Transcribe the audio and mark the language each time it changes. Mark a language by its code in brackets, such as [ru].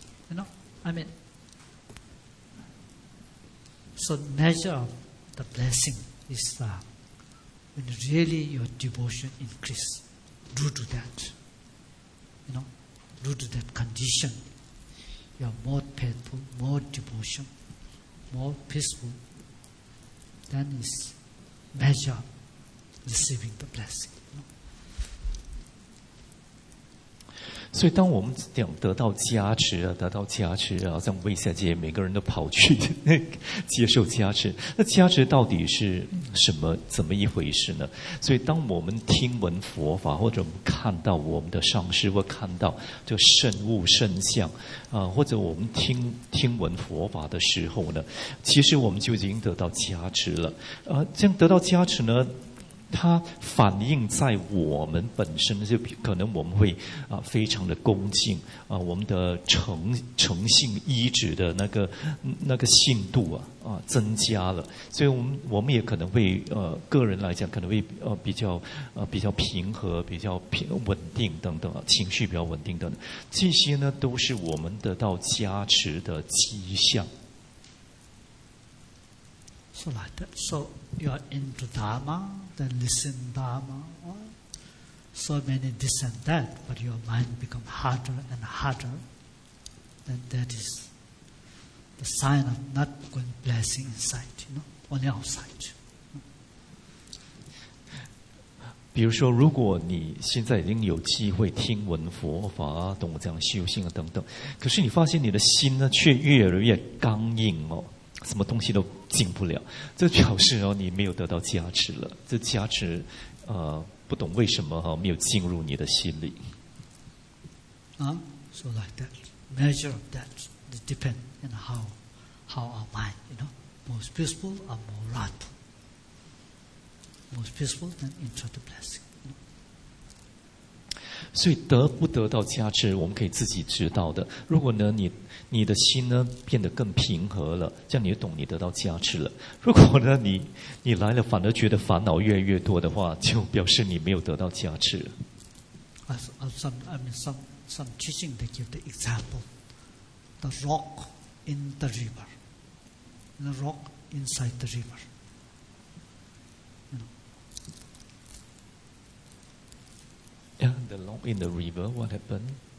[en] You know, I mean, so measure of the blessing is that when really your devotion increases due to that, you know. Due to that condition, you are more faithful, more devotion, more peaceful, then is measure receiving the blessing. No? [zh] 所以当我们讲得到加持啊，得到加持啊，像魏小姐每个人都跑去接受加持，那加持到底是什么，怎么一回事呢？所以当我们听闻佛法，或者我们看到我们的上师，或看到这圣物圣像啊，或者我们听闻佛法的时候呢，其实我们就已经得到加持了。这样得到加持呢，它反映在我们本身，就可能我们会啊非常的恭敬啊，我们的诚信依止的那个信度啊增加了，所以我们也可能会个人来讲可能会比较平和，比较稳定等等，情绪比较稳定等等，这些呢都是我们得到加持的迹象。 [en] So like that. So you are into Dharma, then listen Dharma. So many this and that, but your mind become harder and harder. Then that is the sign of not going blessing inside, you know, only outside. [zh] 比如说，如果你现在已经有机会听闻佛法，懂这样修行等等，可是你发现你的心呢，却越来越刚硬哦。什么东西都进不了，这表示哦，你没有得到加持了。这加持，不懂为什么哈，没有进入你的心里。 [en] So like that, measure of that, it depend on how our mind, you know, most peaceful or more wrathful. Most peaceful then enter the blessing. [zh] 所以得不得到加持，我们可以自己知道的。如果呢，你的心呢变得更平和了，这样你就懂你得到加持了。如果呢，你来了反而觉得烦恼越来越多的话，就表示你没有得到加持。 [en] Some teaching they give the example, the rock in the river, the rock inside the river. Yeah, the rock in the river, what happened?